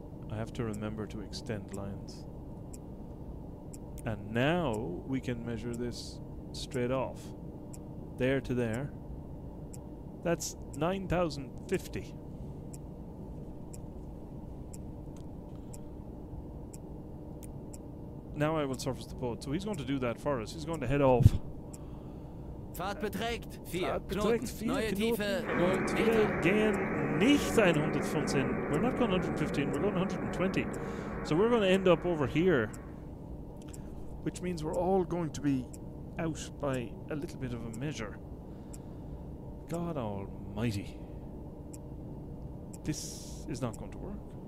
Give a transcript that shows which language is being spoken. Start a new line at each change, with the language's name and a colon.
English: I have to remember to extend lines. And now we can measure this straight off. There to there. That's 9,050. Now I will surface the boat. So he's going to do that for us. He's going to head off.
German: Fahrt beträgt 4 Knoten. Neue Tiefe 0 Meter. Wir gehen nicht 115.
English: We're not going 115. We're going 120. So we're going to end up over here. Which means we're all going to be out by a little bit of a measure. God almighty. This is not going to work.